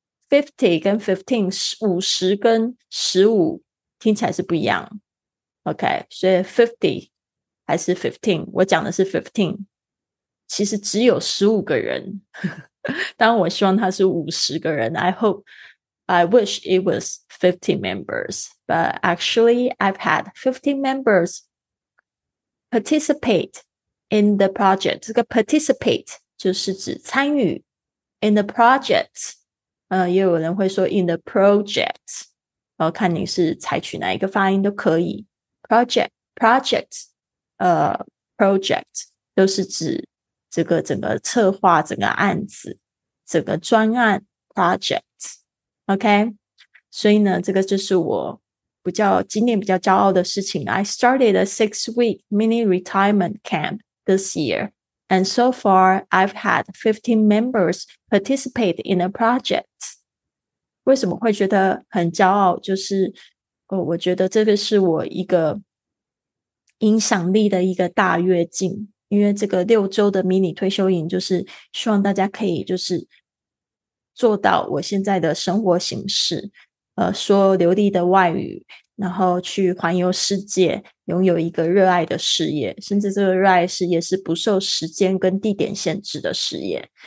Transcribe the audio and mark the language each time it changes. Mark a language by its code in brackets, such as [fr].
[zh] 50跟15，50跟15听起来是不一样。 OK, 所以50还是15，我讲的是15。其实只有15个人，当然我希望他是50个人。 [en] I wish it was 50 members, but actually I've had 50 members participate in the project。 [zh] 这个 participate 就是指参与 [en] in the project。 [zh] 也有人会说 [en] in the project， [zh] 然后看你是采取哪一个发音都可以。 project 都是指这个整个策划整个案子。这个专案 project。 OK， 所以呢这个就是我比较今年比较骄傲的事情。 [en] I started a 6-week mini retirement camp this year, and so far I've had 15 members participate in a project。 [zh] 为什么会觉得很骄傲，就是、哦、我觉得这个是我一个影响力的一个大跃进。因为这个六周的迷你退休营就是希望大家可以就是做到我现在的生活形式，说流利的外语，然后去环游世界，拥有一个热爱的事业，甚至这个热爱事业是不受时间跟地点限制的事业。